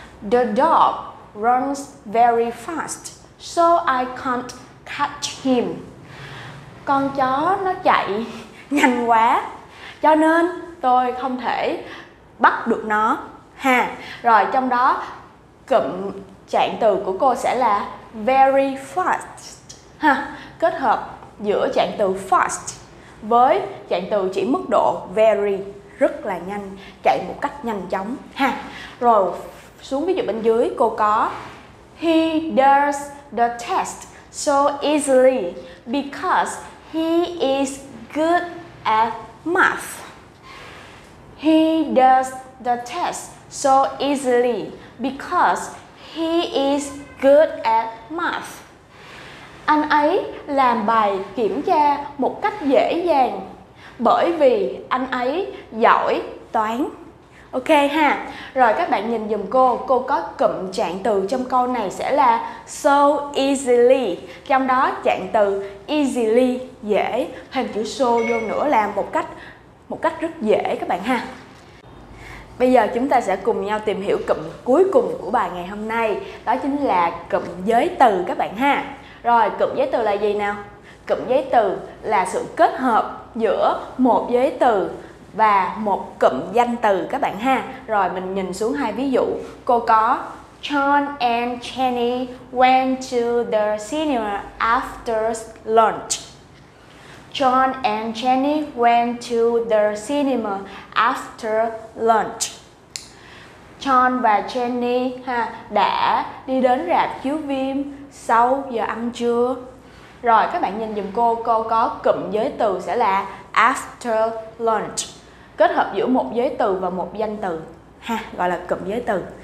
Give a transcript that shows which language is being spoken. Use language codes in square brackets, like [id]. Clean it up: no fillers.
[en] The dog runs very fast, so I can't catch him. [vi] Con chó nó chạy nhanh quá, cho nên tôi không thể bắt được nó ha. Rồi trong đó cụm trạng từ của cô sẽ là very fast ha, kết hợp giữa trạng từ fast với trạng từ chỉ mức độ very, rất là nhanh, chạy một cách nhanh chóng ha. Rồi xuống ví dụ bên dưới cô có [en] He does the test so easily because he is good at math. He does the test so easily because he is good at math. [vi] Anh ấy làm bài kiểm tra một cách dễ dàng bởi vì anh ấy giỏi toán. Ok ha. Rồi các bạn nhìn giùm cô có cụm trạng từ trong câu này sẽ là so easily. Trong đó trạng từ easily, dễ, thêm chữ so vô nữa là một cách rất dễ các bạn ha. Bây giờ chúng ta sẽ cùng nhau tìm hiểu cụm cuối cùng của bài ngày hôm nay, đó chính là cụm giới từ các bạn ha. Rồi, cụm giới từ là gì nào? Cụm giới từ là sự kết hợp giữa một giới từ và một cụm danh từ các bạn ha. Rồi mình nhìn xuống hai ví dụ. Cô có [en] John and Jenny went to the cinema after lunch. John and Jenny went to the cinema after lunch. [vi] John và Jenny ha đã đi đến rạp chiếu phim sau giờ ăn trưa. Rồi các bạn nhìn giùm cô có cụm giới từ sẽ là after lunch, kết hợp giữa một giới từ và một danh từ ha, gọi là cụm giới từ.